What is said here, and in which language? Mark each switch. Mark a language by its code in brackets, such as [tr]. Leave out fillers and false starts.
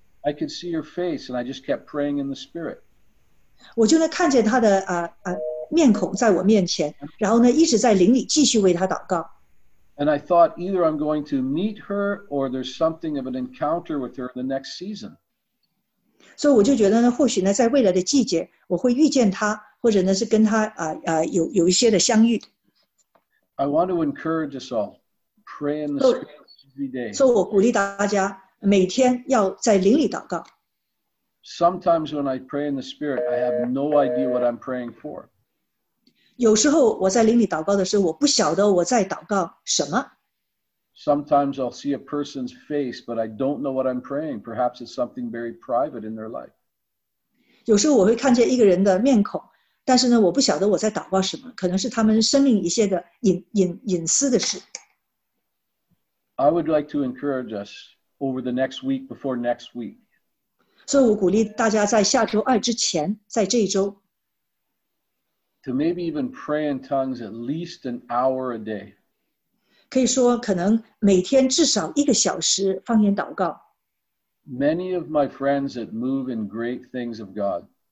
[en] I could see her face, and I just kept praying in the spirit. [zh] 我就呢看见她的面孔在我面前，然后呢一直在灵里继续为她祷告。 [en] And I thought either I'm going to meet her or there's something of an encounter with her in the next season. So [zh] 我就觉得呢, 或许呢, 在未来的季节, 我会遇见她, 或者呢是跟她, 有一些的相遇。 [en] I want to encourage us all, pray in the Spirit every day. So [zh] 我鼓励大家, 每天要在灵里祷告。 [en] Sometimes when I pray in the Spirit, I have no idea what I'm praying for. [zh] 有时候我在灵里祷告的时候, 我不晓得我在祷告什么。 [en] Sometimes I'll see a person's face, but I don't know what I'm praying. Perhaps it's something very private in their life. [zh] 有时候我会看见一个人的面孔, 但是呢, 我不晓得我在祷告什么, 可能是他们生命一些的隐私的事。 [en] I would like to encourage us over the next week, before next week. [zh] 所以我鼓励大家在下周二之前, 在这一周, [en] to maybe even pray in tongues at least an hour a day. [zh] 可以说可能每天至少一个小时方言祷告。 [en] Many of my friends that move in great things of God,